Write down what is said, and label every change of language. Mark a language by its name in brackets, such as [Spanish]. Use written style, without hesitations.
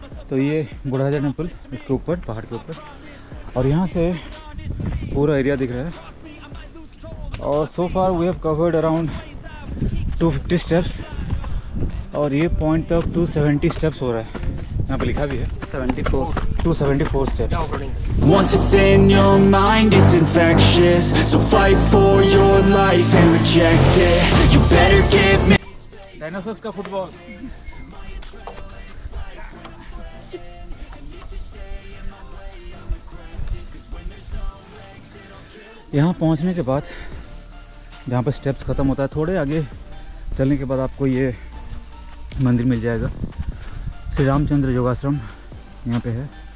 [Hindi] तो ये बुढ़ाजा टेम्पल, इसके ऊपर पहाड़ के ऊपर, और यहाँ से पूरा एरिया दिख रहा है। और [English] so far we have covered around [Hindi] 250 steps और ये पॉइंट तक 270 स्टेप्स हो रहा है, यहाँ पे लिखा भी है 274 steps. [English] Once it's in your mind, it's infectious. So fight for your life and reject it. You better give me. [Hindi] Dinosaurs का फुटबॉल। यहाँ पहुँचने के बाद जहाँ पर स्टेप्स ख़त्म होता है, थोड़े आगे चलने के बाद आपको ये मंदिर मिल जाएगा, श्री रामचंद्र योगाश्रम यहाँ पे है।